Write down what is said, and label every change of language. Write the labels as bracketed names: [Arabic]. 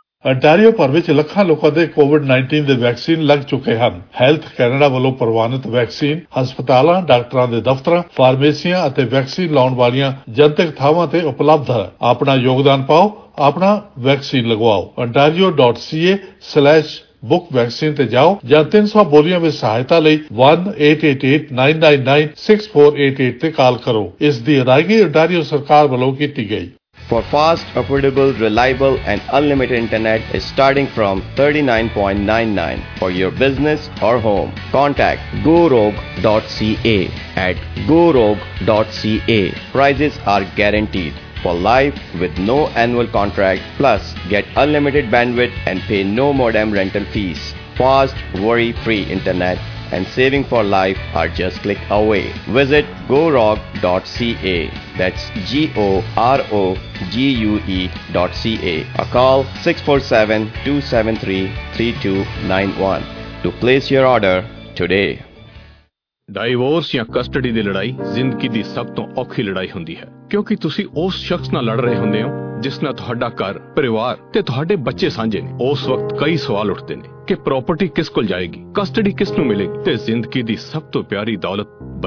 [Punjabi] Ontario ਭਰ ਵਿੱਚ ਲੱਖਾਂ ਲੋਕਾਂ ਦੇ ਕੋਵਿਡ 19 ਦੇ ਵੈਕਸੀਨ ਲੱਗ ਚੁੱਕੇ ਹਨ ਹੈਲਥ ਕੈਨੇਡਾ ਵੱਲੋਂ ਪ੍ਰਵਾਨਿਤ ਵੈਕਸੀਨ ਹਸਪਤਾਲਾਂ ਡਾਕਟਰਾਂ ਦੇ ਦਫ਼ਤਰਾਂ ਫਾਰਮੇਸੀਆਂ ਅਤੇ ਵੈਕਸੀਨ ਲਾਉਣ ਵਾਲੀਆਂ ਜਨਤਕ ਥਾਵਾਂ ਤੇ ਉਪਲਬਧ ਹੈ ਆਪਣਾ ਯੋਗਦਾਨ ਪਾਓ ਆਪਣਾ ਵੈਕਸੀਨ ਲਗਵਾਓ ontario.ca/book vaccine ਤੇ ਜਾਓ ਜਾਂ 300 ਬੋਲੀਆਂ ਵਿੱਚ ਸਹਾਇਤਾ ਲਈ 1-888-999-6488 ਤੇ ਕਾਲ ਕਰੋ ਇਸ ਦੀ ਅਦਾਇਗੀ ਅੰਟਾਰੀਓ ਸਰਕਾਰ ਵੱਲੋਂ ਕੀਤੀ ਗਈ [English] For fast, affordable, reliable and unlimited internet is starting from 39.99 for your business or home. Contact gorogue.ca at gorogue.ca. Prices are guaranteed for life with no annual contract. Plus, get unlimited bandwidth and pay no modem rental fees. Fast, worry-free internet and saving for life are just click away. Visit gorogue.ca. That's GORogue.ca or call 647-273-3291 to place your order today. [Punjabi] Divorce ਜਾਂ custody ਦੀ ਲੜਾਈ ਜ਼ਿੰਦਗੀ ਦੀ ਸਭ ਤੋਂ ਔਖੀ ਲੜਾਈ ਹੁੰਦੀ ਹੈ ਕਿਉਂਕਿ ਤੁਸੀਂ ਉਸ ਸ਼ਖਸ ਨਾਲ ਲੜ ਰਹੇ ਹੁੰਦੇ ਹੋ ਜਿਸ ਨਾਲ ਤੁਹਾਡਾ ਘਰ ਪਰਿਵਾਰ ਤੇ ਤੁਹਾਡੇ ਬੱਚੇ ਸਾਂਝੇ ਨੇ ਉਸ ਵਕਤ ਕਈ ਸਵਾਲ ਉੱਠਦੇ ਨੇ ਕਿ ਪ੍ਰਾਪਰਟੀ ਕਿਸ ਕੋਲ ਜਾਏਗੀ ਕਸਟਡੀ ਕਿਸ ਨੂੰ ਮਿਲੇਗੀ ਤੇ ਜ਼ਿੰਦਗੀ ਦੀ ਸਭ ਤੋਂ ਪਿਆਰੀ ਦੌਲਤ ਬੱਚੇ